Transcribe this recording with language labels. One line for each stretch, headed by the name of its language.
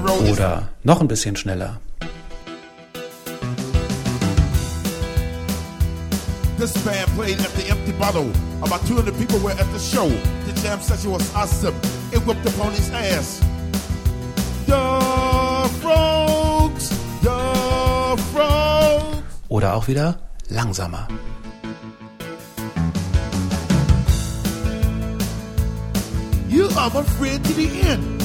German: Oder noch ein bisschen schneller.
English: This band played at the Empty Bottle. About 200 people were at the show. The jam session was awesome. It whipped the ponies' ass. The Frogs, the Frogs.
German: Oder auch wieder langsamer.
English: You are my friend to the end.